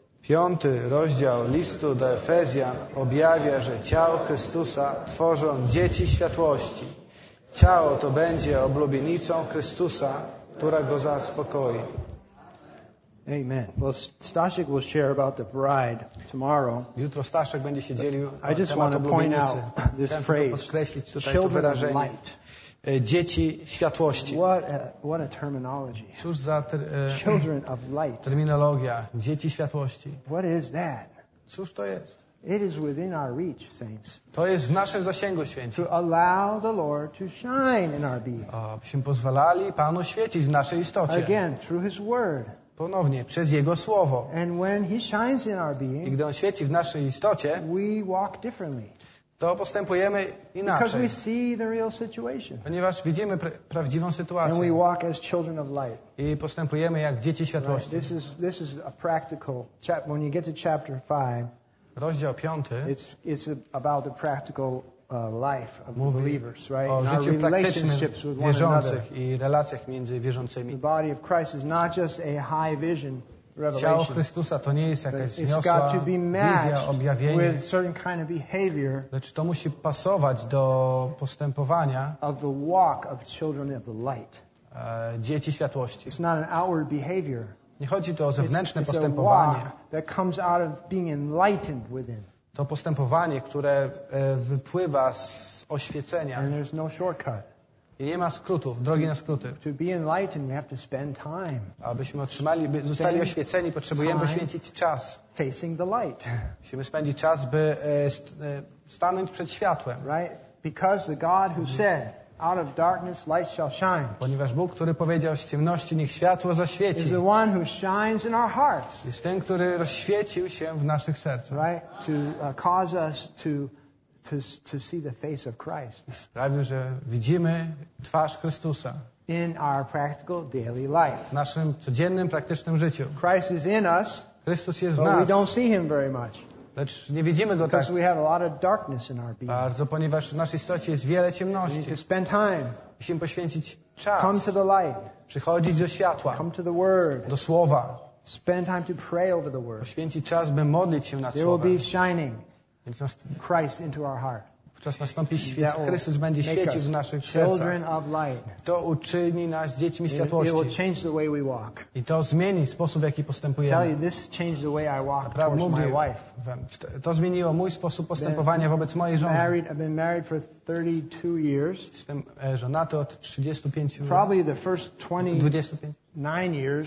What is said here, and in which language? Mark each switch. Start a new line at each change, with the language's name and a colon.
Polish: Piąty rozdział listu do Efezjan objawia, że ciało Chrystusa tworzą dzieci światłości. Ciało to będzie oblubienicą Chrystusa, która go zaspokoi. Amen.
English: Well, Staszek will share about the bride tomorrow.
Polish: Jutro Staszek będzie się dzielił.
English: I just want to point out this phrase. Children of light.
Polish: Dzieci światłości.
English: What a terminology. Children of light.
Polish: Terminologia. Dzieci światłości.
English: What is that?
Polish: Cóż to jest?
English: It is within our reach, saints.
Polish: To jest w naszym zasięgu, święci.
English: To allow the Lord to shine in our being.
Polish: Abyśmy pozwalali Panu świecić w naszej istocie.
English: Again, through His Word.
Polish: Ponownie, przez Jego Słowo.
English: And when He shines in our being,
Polish: i gdy On świeci w naszej istocie,
English: we walk differently.
Polish: To postępujemy inaczej.
English: Because we see the real situation.
Polish: Ponieważ widzimy prawdziwą sytuację.
English: And we walk as children of light.
Polish: I postępujemy jak dzieci światłości.
English: Right. This is a practical chapter. When you get to chapter 5,
Polish: rozdział 5.
English: It's about the practical life of the believers, right?
Polish: O życiu praktycznym wierzących i relacjach między wierzącymi.
English: The body of Christ is not just a high vision revelation.
Polish: Ciało Chrystusa to nie jest jakaś wzniosła wizja, objawienie.
English: With certain kind of behavior.
Polish: Lecz to musi pasować do postępowania
English: of the walk of children of the light.
Polish: Dzieci światłości.
English: It's not an outward behavior.
Polish: Nie chodzi to o zewnętrzne postępowanie.
English: That comes out of being enlightened within.
Polish: To postępowanie, które wypływa z oświecenia.
English: And there's no shortcut.
Polish: I nie ma skrótów, drogi na skróty.
English: To be enlightened, we have to spend time.
Polish: Abyśmy otrzymali, by zostali oświeceni, potrzebujemy poświęcić czas.
English: Facing the light.
Polish: Musimy spędzić czas, by stanąć przed światłem.
English: Right? Because the God who said, out of darkness light shall shine.
Polish: Ponieważ Bóg, który powiedział, z ciemności niech światło zaświeci.
English: Is the one who shines in our hearts.
Polish: Jest ten, który rozświecił się w naszych sercach.
English: Right? To cause us to see the face of Christ.
Polish: Sprawił, że widzimy twarz Chrystusa.
English: In our practical daily life.
Polish: W naszym codziennym, praktycznym życiu.
English: Christ is in us.
Polish: Chrystus jest w nas.
English: But we don't see him very much.
Polish: Lecz nie widzimy go
English: because
Polish: tak
English: we have a lot of darkness in our being.
Polish: Bardzo, ponieważ w naszej istocie jest wiele ciemności.
English: We need to spend time.
Polish: Musimy poświęcić czas.
English: Come to the light.
Polish: Przychodzić do światła.
English: Come to the word.
Polish: Do słowa.
English: Spend time to pray over the word.
Polish: Poświęcić czas, by modlić się nad słowem.
English: There will be shining Christ into our heart.
Polish: Wówczas nastąpi świec. Chrystus będzie świecił w naszych sercach. To uczyni nas dziećmi światłości.
English: It will change the way we walk.
Polish: I to zmieni sposób, w jaki postępujemy.
English: Tell you, this changed the way I walk towards my wife.
Polish: To zmieniło mój sposób postępowania wobec mojej żony.
English: I've been married for 32 years.
Polish: Jestem żonaty od 35 lat.
English: Probably the first 29 years.